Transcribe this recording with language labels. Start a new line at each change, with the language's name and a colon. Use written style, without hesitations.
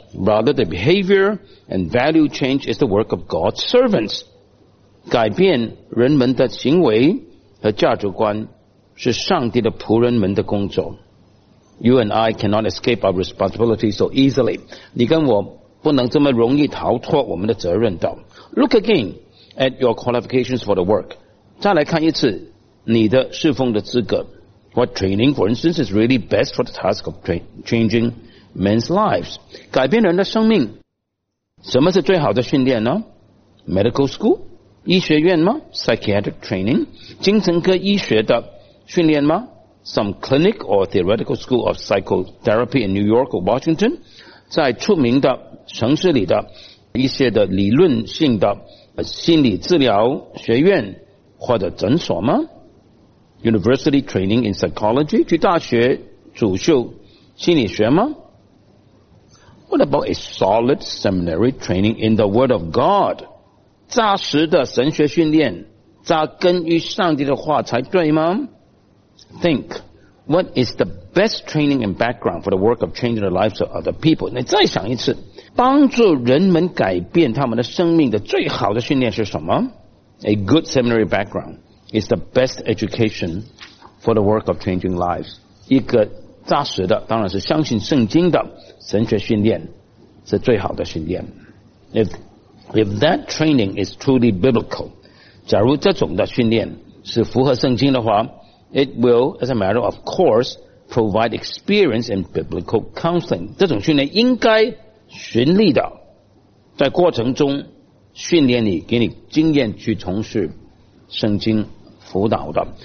English: Rather, the behavior and value change is the work of God's servants.
Chinese: 改变人们的行为和价值观是上帝的仆人们的工作。
English: You and I cannot escape our responsibility so easily.
Chinese: 你跟我不能这么容易逃脱我们的责任的。
English: Look again at your qualifications for the work.
Chinese: 再来看一次你的侍奉的资格。
English: What training, for instance, is really best for the task of changing? Men's lives，
Chinese: 改变人的生命，什么是最好的训练呢？
English: Medical school，
Chinese: 医学院吗？
English: Psychiatric training，
Chinese: 精神科医学的训练吗？
English: Some clinic or theoretical school of psychotherapy in New York or Washington，
Chinese: 在出名的城市里的一些的理论性的心理治疗学院或者诊所吗？
English: University training in psychology，
Chinese: 去大学主修心理学吗？
English: What about a solid seminary training in the Word of God?
Chinese: 扎实的神学训练，扎根于上帝的话才对吗？
English: Think, what is the best training and background for the work of changing the lives of other people?
Chinese: 你再想一次，帮助人们改变他们的生命的最好的训练是什么？
English: A good seminary background is the best education for the work of changing lives.
Chinese: 一个扎实的，当然是相信圣经的神学训练是最好的训练。
English: If that training is truly biblical，
Chinese: 假如这种的训练是符合圣经的话，
English: It will as a matter of course provide experience in biblical counseling，
Chinese: 这种训练应该循例的在过程中训练你，给你经验去从事圣经辅导的。